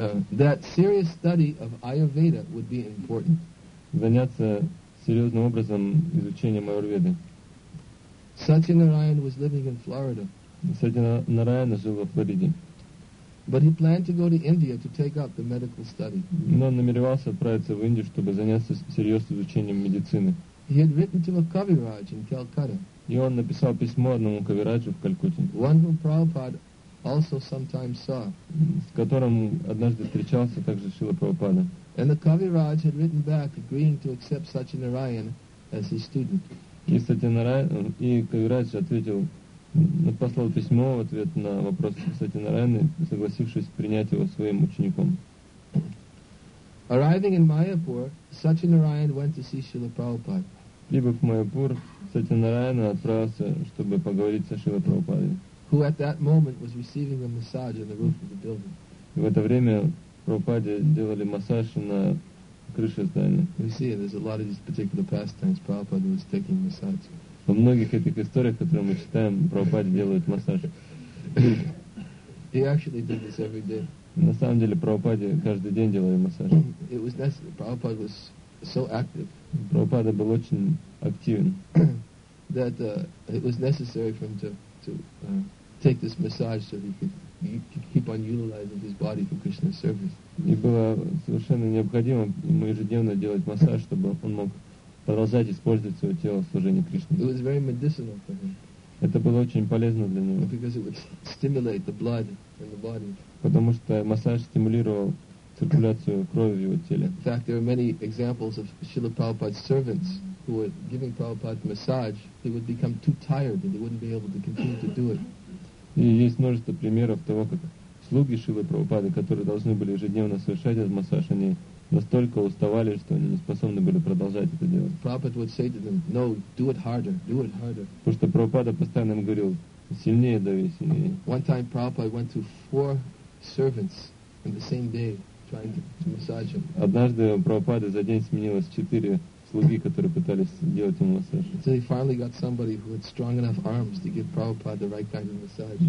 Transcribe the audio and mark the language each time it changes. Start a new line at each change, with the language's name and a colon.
English: That serious study of Ayurveda would be important.
Russian: Заняться серьезным образом изучением Аюрведы.
English: Satyanarayan was living in Florida.
Russian: Satyanarayan жил во Флориде.
English: But he planned to go to India to take up the medical study.
Russian: Но он намеревался отправиться в Индию, чтобы заняться серьезным изучением медицины.
English: He had written to a Kaviraj in Calcutta.
Russian: И он написал письмо одному Кавираджу в Калькутте.
English: One whom Prabhupada also sometimes saw.
Russian: С которым однажды встречался также Шрила Прабхупада.
English: And the Kaviraj had written back agreeing to accept Satyanarayan as his student.
Russian: И Кавирадж ответил, послал письмо в ответ на вопрос Сатьянараяны, согласившись принять его своим учеником.
English: Arriving in Mayapur, Satyanarayan went to see Srila Prabhupada.
Russian: Прибыв в Майяпур, Сатьянараяна отправился, чтобы поговорить со Шрилой Прабхупадой.
English: Who at that moment was receiving a massage on the roof of the building.
Russian: И в это время Прабхупаде делали массаж на крыша здания.
English: You see, there's a lot of these particular pastimes Prabhupada was taking massage.
Russian: Во многих этих историях, которые мы читаем, Прабхупада делает массаж.
English: He actually did this every day.
Russian: На самом деле, Прабхупада каждый день делает массаж.
English: It was necessary. Prabhupada was so active.
Russian: Прабхупада был очень активен.
English: That it was necessary for him to take this massage so he could keep on utilizing his body for Krishna's service.
Russian: И было совершенно необходимо ему ежедневно делать массаж, чтобы он мог продолжать использовать свое тело в служении Кришне.
English: It was very medicinal for him.
Russian: Это было очень полезно для него.
English: Because it would stimulate the blood in the body.
Russian: Потому что массаж стимулировал циркуляцию крови в его теле.
English: In fact, there are many examples of Srila Prabhupada's servants who were giving Prabhupada massage. They would become too tired and they wouldn't be able to continue to do it.
Russian: И есть множество примеров того, как слуги Шилы Прабхупады, которые должны были ежедневно совершать этот массаж, они настолько уставали, что они не способны были продолжать это делать.
English: Prabhupada would say to them, no, do it harder, do it harder.
Russian: Потому что Прабхупада постоянно им говорил, сильнее дави, сильнее.
English: One time Prabhupada went to 4 servants in the same day trying to massage him.
Russian: Однажды Прабхупада за день сменилось 4 слуги, которые пытались делать ему массаж.
English: So he finally got somebody who had strong enough arms to give Prabhupada the right kind of massage.